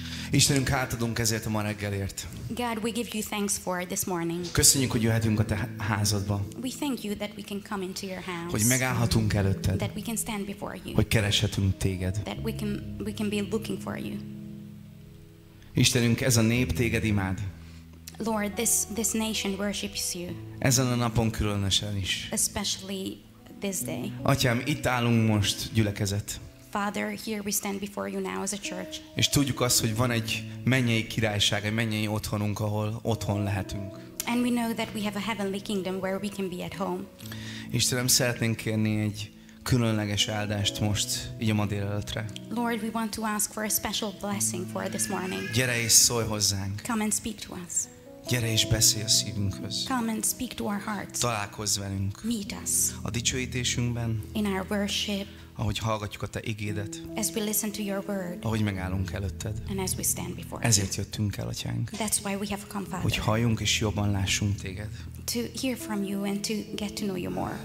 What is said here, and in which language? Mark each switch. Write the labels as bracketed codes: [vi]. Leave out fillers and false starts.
[hu] Istenünk, átadunk ezért a ma reggelért. [en] God, we give you thanks for this morning. [hu] Köszönjük, hogy jöhetünk a te házadba. [en] We thank you that we can come into your house. [hu] Hogy megállhatunk előtted. [en] That we can stand before you. [hu] Hogy kereshetünk téged. [en] That we can be looking for you. [hu] Istenünk, ez a nép téged imád. [en] Lord, this nation worships you. [hu] Ezen a napon különösen is. [en] Especially this day. [hu] Atyám, itt állunk most gyülekezet. [en] Father, here we stand before you now as a church. [hu] És tudjuk azt, hogy van egy mennyei királyság, egy mennyei otthonunk, ahol otthon lehetünk. [en] And we know that we have a heavenly kingdom where we can be at home. [hu] Istenem, szeretnénk kérni egy különleges áldást most, így a ma délelőttre. [en] Lord, we want to ask for a special blessing for this morning. [hu] Gyere és szólj hozzánk. [en] Come and speak to us. [hu] Gyere és beszélj a szívünkhöz. [en] Come and speak to our hearts. [hu] Találkozz velünk. [en] Meet us. [hu] A dicsőítésünkben. [en] In our worship. [hu] Ahogy hallgatjuk a te igédet. [en] As we listen to your word. [hu] Ahogy megállunk előtted. [en] And as we stand before you. [hu] Ezért jöttünk el, atyánk. [en] That's why we have come, Father. [hu] Hogy halljunk és jobban lássunk téged. [en] To hear from you and to get to know you more.